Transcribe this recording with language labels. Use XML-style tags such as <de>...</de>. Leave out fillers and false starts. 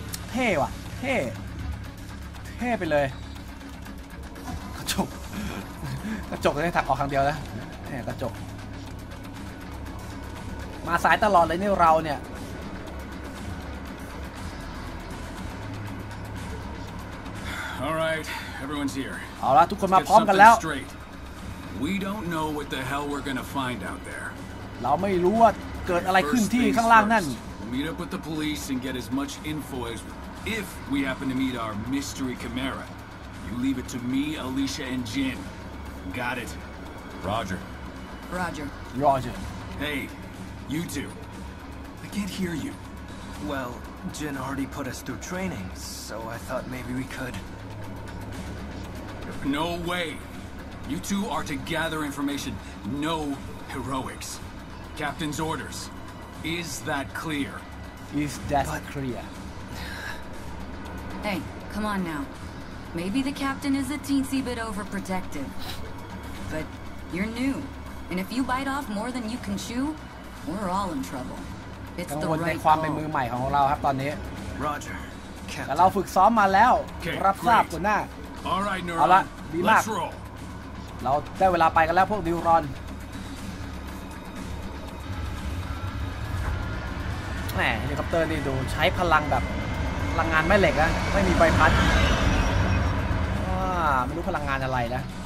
<th>เท่ว่ะเท่ไปเลยกระจกกระจกเลยถักออกครั้งเดียวนะแหมกระจกมาสายตลอดเลยนี่เราเนี่ย</th> <en>Alright, everyone's here.</en> <th>เอาละทุกคนมาพร้อมกันแล้ว</th> <en>We don't know what the hell we're gonna find out there.</en> <th>เราไม่รู้ว่าเกิดอะไรขึ้นที่ข้างล่างนั่น</th> <en>We'll meet up with the police and get as much info as if we happen to meet our mystery chimera. You leave it to me, Alicia, and Jin. Got it? Roger. Roger. Roger. Hey, you two. I can't hear you. Well... Jin already put us through training, so I thought maybe we could. No way! You two are to gather information. No heroics. Captain's orders. Is that clear? Is that clear? Hey, come on now. Maybe the captain is a teensy bit overprotective. But you're new, and if you bite off more than you can chew, we're all in trouble.</en> <th>กังวลในความเป็นมือใหม่ของเราครับตอนนี้</th> <en>Roger.</en> <th>แต่เราฝึกซ้อมมาแล้ว</th> <en>okay.</en> <th>รับทราบคุณหน้า</th> <en>right,</en> <th>เอาละดีมากเราได้เวลาไปกันแล้วพวกนิวรอนแหมเฮลิคอปเตอร์นี่ดูใช้พลังแบบพลังงานแม่เหล็กนะไม่มีใบพัดไม่รู้พลังงานอะไรนะ</th>